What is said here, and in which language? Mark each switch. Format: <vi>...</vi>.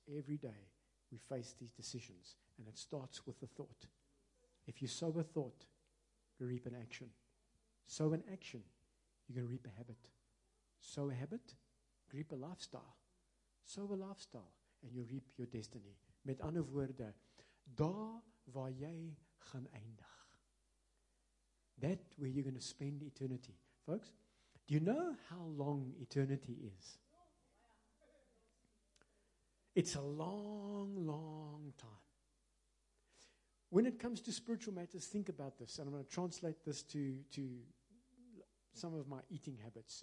<en>Every day we face these decisions, and it starts with the thought. If you sow a thought, you reap an action. Sow an action, you're going to reap a habit. Sow a habit, reap a lifestyle. Sow a lifestyle, and you reap your destiny.</en> <af>Met ander woorde, daar waar jy gaan eindig.</af> <en>That where you're going to spend eternity. Folks, do you know how long eternity is? It's a long, long time. When it comes to spiritual matters, think about this, and I'm going to translate this to some of my eating habits.</en>